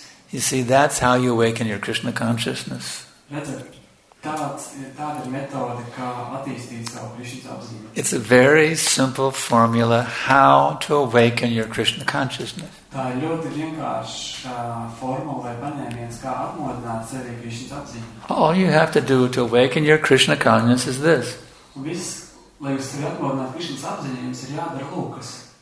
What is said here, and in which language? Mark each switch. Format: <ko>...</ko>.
<en>You see, that's how you awaken your Krishna consciousness.</en> <lv>Tāda ir metode, kā attīstīt savu Krishna apziņu.</lv> <en>It's a very simple formula how to awaken your Krishna consciousness.</en> <lv>Tā ir ļoti vienkārša formula vai paņēmiens, kā atmodināt sevi Krishna apziņu.</lv> <en>All you have to do to awaken your Krishna consciousness is this.</en> <lv>Viss, lai jūs sevi atmodināt Krishna apziņu, jums ir jādara lūkas.</lv>